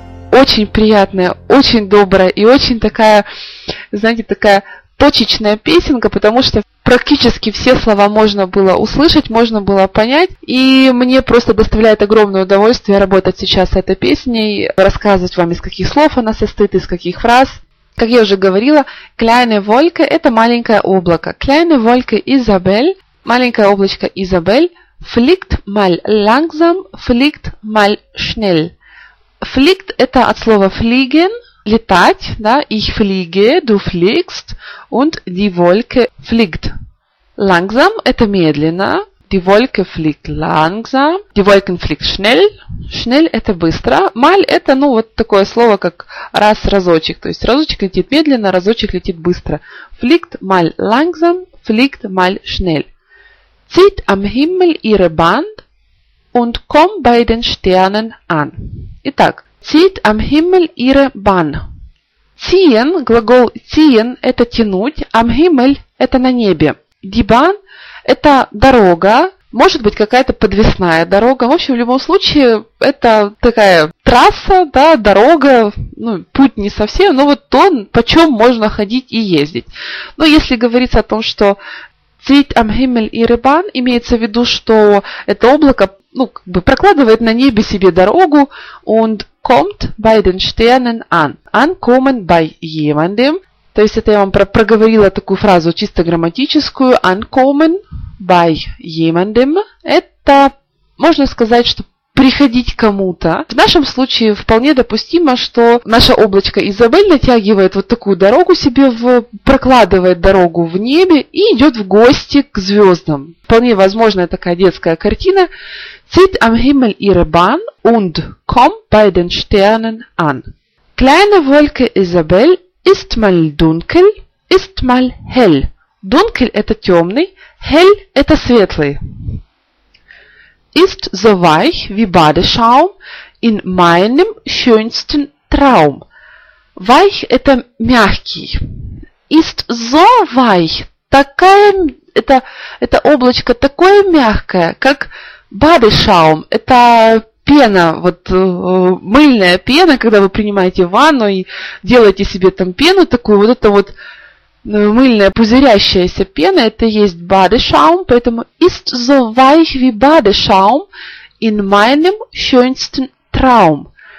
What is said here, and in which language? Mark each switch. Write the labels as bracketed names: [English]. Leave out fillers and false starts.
[Russian] Очень приятная, очень добрая и очень такая, знаете, такая точечная песенка, потому что практически все слова можно было услышать, можно было понять. И мне просто доставляет огромное удовольствие работать сейчас с этой песней, рассказывать вам, из каких слов она состоит, из каких фраз. Как я уже говорила, «Kleine Wolke» – это маленькое облако. «Kleine Wolke Isabel» – маленькое облачко Isabel. [German] «Fliegt mal langsam, fliegt mal schnell». Fliegt – это от слова fliegen, летать, да, ich fliege, du fliegst, und die Wolke fliegt. Langsam – это медленно, die Wolke fliegt langsam, die Wolken fliegt schnell, schnell – это быстро. [Russian] Mal – это, ну, вот такое слово, как раз, разочек, то есть разочек летит медленно, разочек летит быстро. [German] Fliegt mal langsam, fliegt mal schnell. Zieht am Himmel ihre Band und kommt bei den Sternen an. [Russian] Итак, «Zieht am Himmel ihre Bahn». «Ziehen», глагол «ziehen» – это «тянуть», «am Himmel» – это «на небе». «Die Bahn» – это «дорога», Может быть, какая-то подвесная дорога. В общем, в любом случае, это такая трасса, да, дорога, ну, путь не совсем, но вот то, по чем можно ходить и ездить. Но если говорится о том, что Цвит ам Химмель и Рыбан, имеется в виду, что это облако, ну, как бы прокладывает на небе себе дорогу, und kommt bei den Sternen an. [German] Ankommen bei jemandem. [Russian] То есть это я вам проговорила такую фразу чисто грамматическую. [German] Ankommen bei jemandem. [Russian] Это можно сказать, что приходить кому-то. В нашем случае вполне допустимо, что наше облачко Изабель натягивает вот такую дорогу себе, прокладывает дорогу в небе и идет в гости к звездам. Вполне возможная такая детская картина. [German] Zieht am Himmel ihre Bahn und kommt bei den Sternen an. Kleine Wolke Isabel ist mal dunkel, ist mal hell. [Russian] Dunkel – это темный, hell – это светлый. [German] Ist so weich wie Badeschaum in meinem schönsten Traum. [Russian] Weich – это мягкий. Ist so weich – такая, это облачко такое мягкое, как Badeschaum – это пена, вот мыльная пена, когда вы принимаете ванну и делаете себе там пену такую, вот это вот мыльная пузырящаяся пена, это есть Badeschaum, поэтому ist so weich wie Badeschaum in meinem schönsten Traum.